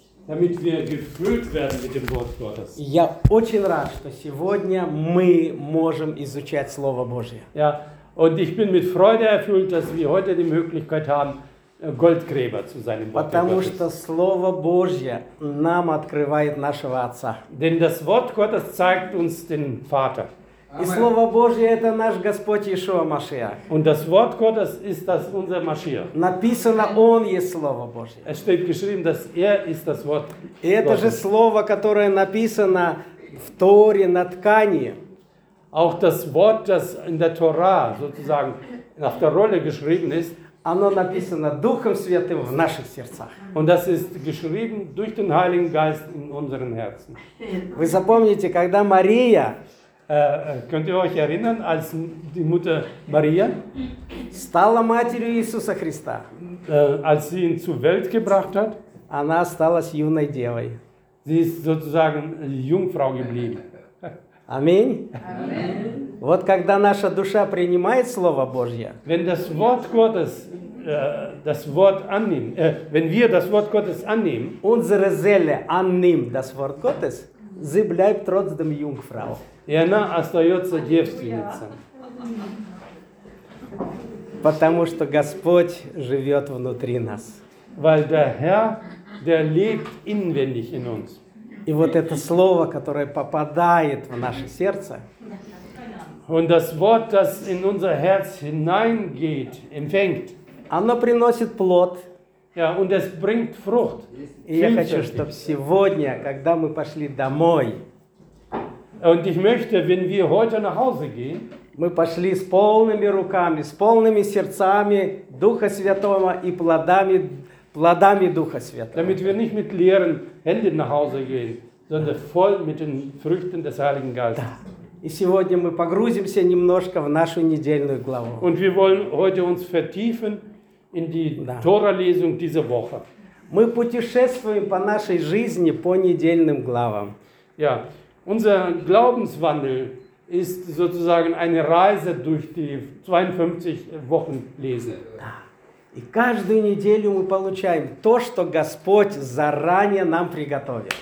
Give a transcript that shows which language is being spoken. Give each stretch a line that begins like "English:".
German: Damit wir gefüllt werden mit dem Wort Gottes.
Russian: Я очень рад, что сегодня мы можем изучать Слово Божье.
German: Ja, und ich bin mit Freude erfüllt, dass wir heute die Möglichkeit haben, Goldgräber zu sein im Wort Gottes.
Russian: Потому что Слово Божье нам открывает нашего Отца.
German: Denn das Wort Gottes zeigt uns den Vater.
Russian: И Слово Божье – это наш Господь Иешуа Машиах.
German: Und das Wort Gottes ist das unser Машиах.
Russian: Написано, Он есть Слово Божье.
German: Es steht geschrieben, dass ist das Wort Gottes.
Russian: Это же Слово, которое написано в Торе, на ткани.
German: Auch das Wort, das in der Tora sozusagen auf der Rolle geschrieben ist.
Russian: Оно написано Духом Святым в наших сердцах.
German: Und das ist geschrieben durch den Heiligen Geist in unseren Herzen.
Russian: Вы запомните, когда Мария...
German: Könnt ihr euch erinnern, als die Mutter Maria
Russian: стала матерью Иисуса Христа,
German: als sie ihn zur Welt gebracht hat,
Russian: она осталась юной девой.
German: Sie ist sozusagen Jungfrau geblieben.
Russian: Аминь. Вот когда наша душа принимает Слово Божье,
German: wenn das Wort Gottes das Wort annehmen, wenn wir das Wort Gottes annehmen, unsere Seele annimmt das Wort Gottes, sie bleibt trotzdem Jungfrau.
Russian: И она остается девственницей. Потому что Господь живет внутри нас.
German: Weil der Herr, der lebt inwendig in uns.
Russian: И вот это слово, которое попадает в наше сердце.
German: Und das Wort, das in unser Herz hineingeht, empfängt.
Russian: Оно приносит плод.
German: Ja, und es bringt Frucht.
Russian: И я хочу, чтобы сегодня, когда мы пошли домой,
German: und ich möchte, wenn wir heute nach Hause gehen,
Russian: мы пошли с полными руками, с полными сердцами Духа Святого и плодами Духа Святого.
German: Damit wir nicht mit leeren Händen nach Hause gehen, sondern voll mit den Früchten des Heiligen Geistes.
Russian: Да. И сегодня мы погрузимся немножко в нашу недельную главу.
German: Und wir wollen heute uns vertiefen in die Tora-Lesung dieser Woche.
Russian: Мы путешествуем по нашей жизни по недельным главам.
German: Ja. Unser Glaubenswandel ist sozusagen eine Reise durch die 52 Wochen lesen.
Russian: Да. И каждую неделю мы получаем то, что Господь заранее нам приготовил.